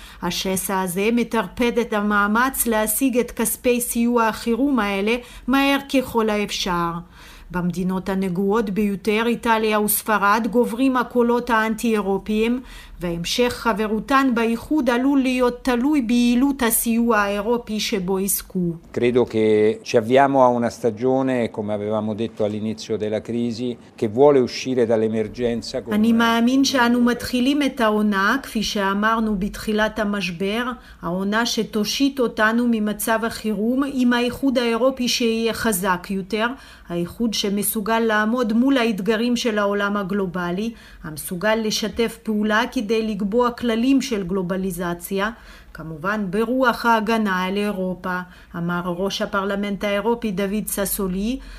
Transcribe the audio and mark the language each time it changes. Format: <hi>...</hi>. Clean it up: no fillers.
<he>השסע הזה מטרפד את המאמץ להשיג את כספי סיוע החירום האלה מהר ככל האפשר. במדינות הנגועות ביותר, איטליה וספרד, גוברים הקולות האנטי-אירופיים, והמשך חברותן באיחוד עלול להיות תלוי ביעילות הסיוע האירופי שבו עסקו.</he> <it>Credo che ci avviamo a una stagione, come avevamo detto all'inizio della crisi, che vuole uscire dall'emergenza.</it> <he>אני מאמין שאנו מתחילים את העונה, כפי שאמרנו בתחילת המשבר, העונה שתושיט אותנו ממצב החירום עם האיחוד האירופי שיהיה חזק יותר, האיחוד שמסוגל לעמוד מול האתגרים של העולם הגלובלי, המסוגל לשתף פעולה כדי לקבוע כללים של גלובליזציה, כמובן ברוח ההגנה על אירופה, אמר ראש הפרלמנט האירופי דוד ססולי.</he>